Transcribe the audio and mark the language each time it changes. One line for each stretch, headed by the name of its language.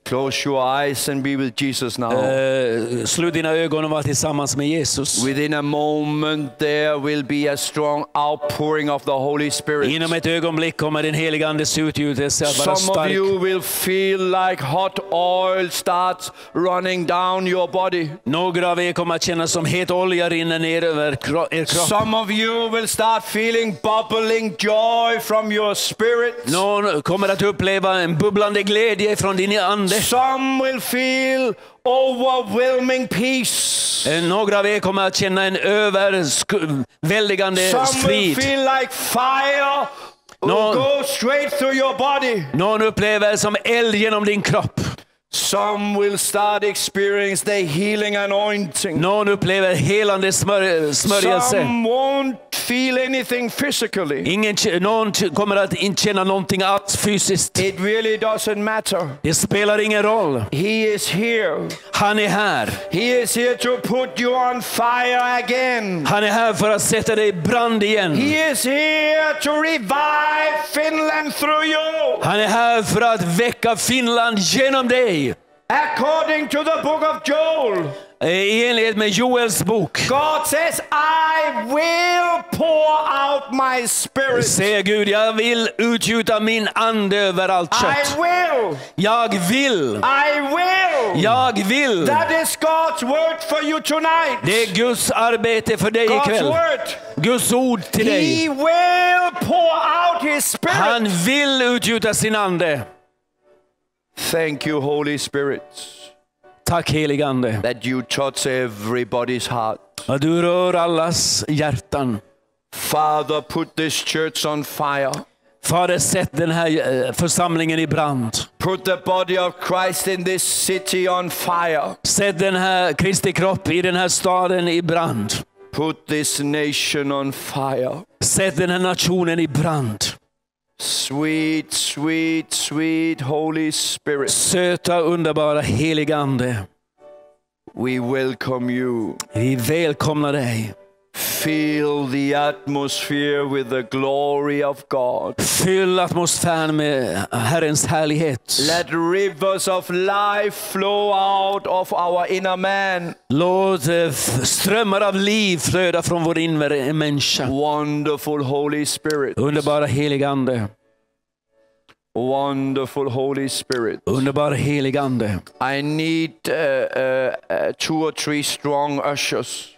English: Close your eyes and be with Jesus now.
Swedish: Slut dina ögon och var tillsammans med Jesus.
English: Within a moment there will be a strong outpouring of the Holy Spirit.
Swedish: Inom ett ögonblick kommer den helige ande utgjutas.
English: Some of you will feel like hot oil starts running down your body.
Swedish: Några av er kommer att känna som het olja rinner ner över er kropp.
English: Some of you will start feeling bubbling joy from your spirit.
Swedish: Någon kommer att uppleva en bubblande glädje från din ande.
English: Some will feel overwhelming peace.
Swedish: Några av er kommer att känna en överväldigande frid.
English: Some will feel like fire go straight through your body.
Swedish: Någon upplever som eld genom din kropp.
English: Some will start experience the healing anointing.
Swedish: Någon upplever helande smörjelse.
English: Some won't feel anything physically.
Swedish: Någon kommer att inte känna någonting alls fysiskt.
English: It really doesn't matter.
Swedish: Det spelar ingen roll.
English: He is here.
Swedish: Han är här.
English: He is here to put you on fire again.
Swedish: Han är här för att sätta dig i brand igen.
English: He is here to revive Finland through you.
Swedish: Han är här för att väcka Finland genom dig.
English: According to the book of Joel.
Swedish: I enlighet med Joels bok.
English: God says I will pour out my spirit.
Swedish: Säger Gud, jag vill utgjuta min ande över allt kött.
English: I will.
Swedish: Jag vill.
English: I will.
Swedish: Jag vill.
English: That is God's word for you tonight.
Swedish: Det är Guds arbete för dig ikväll.
English: God's word.
Swedish: Guds ord till dig.
English: He will pour out his spirit.
Swedish: Han vill utgjuta sin ande.
English: Thank you, Holy Spirit.
Swedish: Tack helige ande.
English: That you touch everybody's heart.
Swedish: Och du rör allas hjärtan.
English: Father, put this church on fire.
Swedish: Fader, sätt den här församlingen i brand.
English: Put the body of Christ in this city on fire.
Swedish: Sätt den här Kristi kropp i den här staden i brand.
English: Put this nation on fire.
Swedish: Sätt den här nationen i brand.
English: Sweet, sweet, sweet Holy Spirit.
Swedish: Söta, underbara, heliga ande.
English: We welcome you.
Swedish: Vi välkomnar dig.
English: Fill the atmosphere with the glory of God.
Swedish: Fyll atmosfären med Herrens härlighet.
English: Let rivers of life flow out of our inner man.
Swedish: Låt strömmar av liv flöda från vår inre människa.
English: Wonderful Holy Spirit.
Swedish: Underbara helig ande.
English: Wonderful Holy Spirit.
Swedish: Underbara helig ande.
English: I need two or three strong ushers.